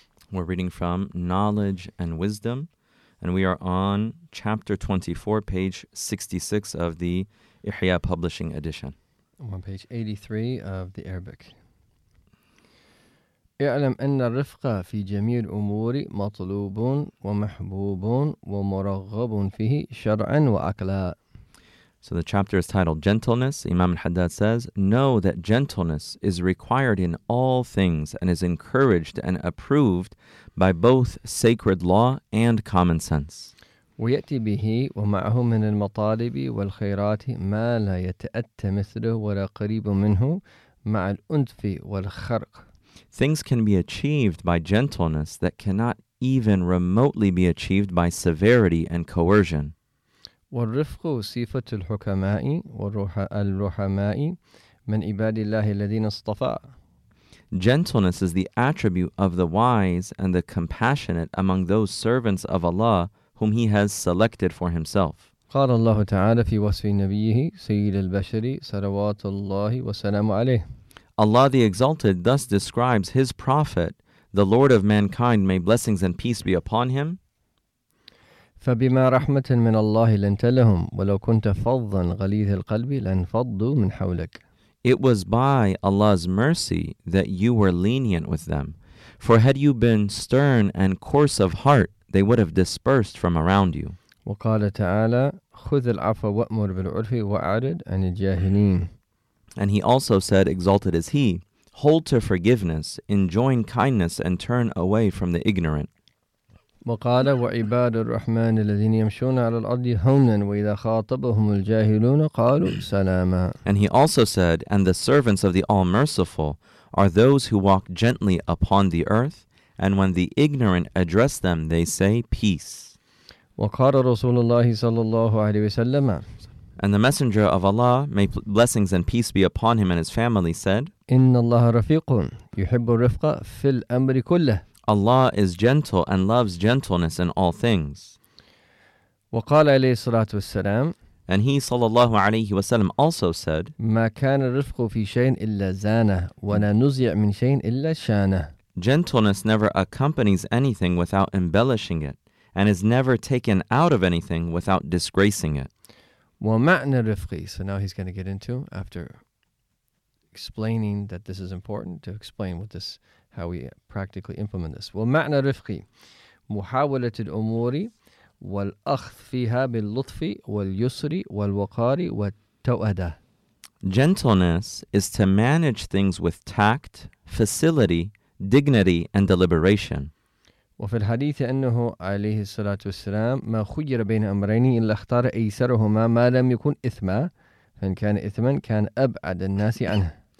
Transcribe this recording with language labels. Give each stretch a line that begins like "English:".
English: We're reading from Knowledge and Wisdom, and we are on chapter 24, page 66 of the Ihya Publishing Edition. On page 83 of the Arabic.
Arabic: اعلم أن الرفق في جميع الأمور مطلوب ومحبوب ومرغب فيه شرعا وأكلا.
English: So the chapter is titled Gentleness. Imam al-Haddad says, know that gentleness is required in all things and is encouraged and approved by both sacred law and common sense.
Arabic: ويأتي به ومعه من المطالب والخيرات ما لا يتأتى مثله ولا قريب منه مع الأنف والخرق.
English: Things can be achieved by gentleness that cannot even remotely be achieved by severity and coercion.
Arabic: والرفق صفة الحكماء والرحماء من عباد الله الذين اصطفى.
English: Gentleness is the attribute of the wise and the compassionate among those servants of Allah whom He has selected for Himself.
Arabic: قال الله تعالى في وصف نبيه سيد البشر صلوات الله وسلامه عليه.
English: Allah the Exalted thus describes His Prophet, the Lord of mankind, may blessings and peace be upon Him.
Arabic: فبما رحمة من الله لنت لهم ولو كنت فظا غليظ القلب لانفضوا من حولك.
English: It was by Allah's mercy that you were lenient with them. For had you been stern and coarse of heart, they would have dispersed from around you.
Arabic: وقال تعالى خذ العفو وأمر بالعرف وأعرض عن الجاهلين.
English: And He also said, exalted is He, hold to forgiveness, enjoin kindness, and turn away from the ignorant.
Arabic: وقال وعباد الرحمن الذين يمشون على الأرض هونا وإذا خاطبهم الجاهلون قالوا سلاما.
English: And He also said, and the servants of the All-Merciful are those who walk gently upon the earth, and when the ignorant address them, they say peace.
Arabic: وقال رسول الله صلى الله عليه وسلم.
English: And the Messenger of Allah, may blessings and peace be upon him and his family, said,
Arabic: إِنَّ اللَّهَ رَفِيقٌ يُحِبُّ الرِّفْقَ فِي الْأَمْرِ كُلَّهِ.
English: Allah is gentle and loves gentleness in all things.
Arabic: وقال عليه الصلاة والسلام.
English: And he, sallallahu alayhi wa sallam, also said,
Arabic: مَا كَانَ الرِّفْقُ فِي شَيْءٍ إِلَّا زَانَهُ وَلَا نُزِعْ مِنْ شَيْءٍ إِلَّا شَانَهُ.
English: Gentleness never accompanies anything without embellishing it, and is never taken out of anything without disgracing it.
Arabic: وَمَعْنَ الرِّفْقِ.
English: So now he's going to get into, after explaining that this is important, to explain what this, how we practically implement this.
Arabic: وَمَعْنَ الرِّفْقِ مُحَاوَلَةُ الْأُمُورِ وَالْأَخْذِ فِيهَا بِاللُّطْفِ وَالْيُسْرِ وَالْوَقَارِ وَالتَّوَدَّعِ.
English: Gentleness is to manage things with tact, facility, dignity, and deliberation.
Arabic: وفي الحديث أنه عليه الصلاة والسلام ما خير بين أمرين إلا اختار أيسرهما ما لم يكن إثما فإن كان إثما كان أبعد الناس عنه.